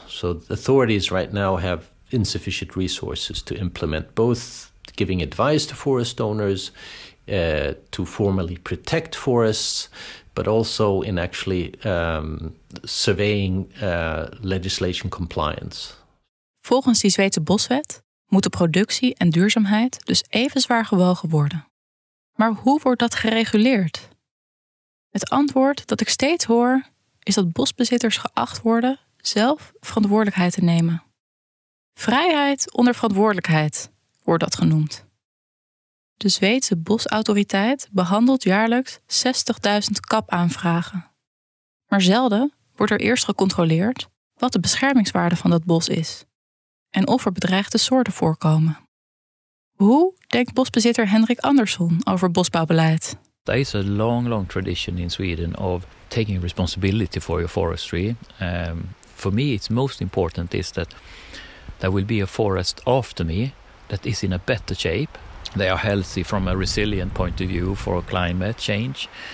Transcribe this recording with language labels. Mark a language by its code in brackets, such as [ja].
[en] So the authorities right now have insufficient resources to implement, both giving advice to forest owners, to formally protect forests, but also in actually surveying legislation compliance. [nl] Volgens die Zweedse boswet moeten productie en duurzaamheid dus even zwaar gewogen worden. Maar hoe wordt dat gereguleerd? Het antwoord dat ik steeds hoor is dat bosbezitters geacht worden zelf verantwoordelijkheid te nemen. Vrijheid onder verantwoordelijkheid wordt dat genoemd. De Zweedse bosautoriteit behandelt jaarlijks 60.000 kap-aanvragen. Maar zelden wordt er eerst gecontroleerd wat de beschermingswaarde van dat bos is en of er bedreigde soorten voorkomen. Hoe denkt bosbezitter Henrik Andersson over bosbouwbeleid? [en] There is a long, long tradition in Sweden of taking responsibility for your forestry. For me, it's most important is that there will be a forest after me that is in a better shape. They are healthy from a resilient point of view for climate change.